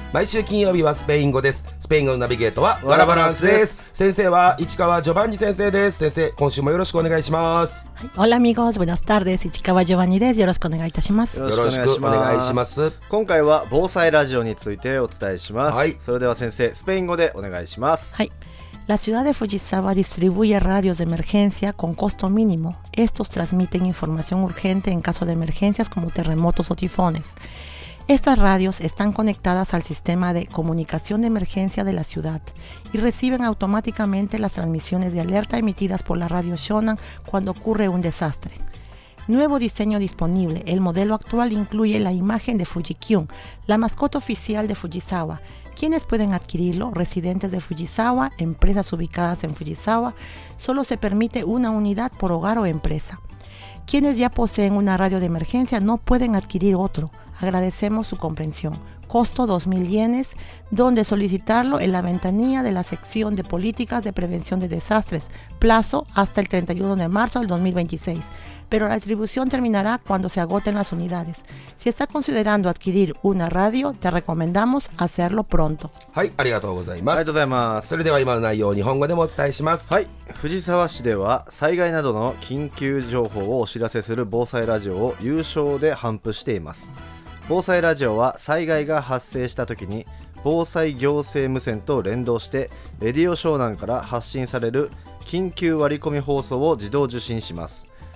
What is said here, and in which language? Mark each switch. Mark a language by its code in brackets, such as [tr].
[ja] 毎週金曜日はスペイン語です。スペイン語のナビゲートはわらバランスです。先生は市川ジョバンニ先生です。先生、今週もよろしくお願いします。オラミゴーズブナスタールです。市川ジョバンニです。よろしくお願いいたします。よろしくお願いします。今回は防災ラジオについてお伝えします。はい、それでは先生、スペイン語でお願いします。はい。 [es] La ciudad de Fujisawa distribuye radios de emergencia con costo mínimo. Estos transmiten información urgente en caso de emergencias como terremotos o tifones. Estas radios están conectadas al sistema de comunicación de emergencia de la ciudad y reciben automáticamente las transmisiones de alerta emitidas por la radio Shonan cuando ocurre un desastre. Nuevo diseño disponible. El modelo actual incluye la imagen de Fujikyun, la mascota oficial de Fujisawa. ¿Quiénes pueden adquirirlo? Residentes de Fujisawa, empresas ubicadas en Fujisawa. Solo se permite una unidad por hogar o empresa. Quienes ya poseen una radio de emergencia no pueden adquirir otro. Agradecemos su comprensión. Costo 2.000 yenes. ¿Dónde solicitarlo? En la ventanilla de la sección de políticas de prevención de desastres. Plazo hasta el 31 de marzo del 2026. Pero la distribución terminará cuando se agoten las unidades. Si está considerando adquirir una radio, te recomendamos hacerlo pronto. [ja] はい、ありがとうございます。ありがとうございます。それでは今の内容を日本語でもお伝えします。はい、藤沢市では災害などの緊急情報をお知らせする防災ラジオを有償で頒布しています。防災ラジオは災害が発生した時に防災行政無線と連動してレディオ湘南から発信される緊急割り込み放送を自動受信します。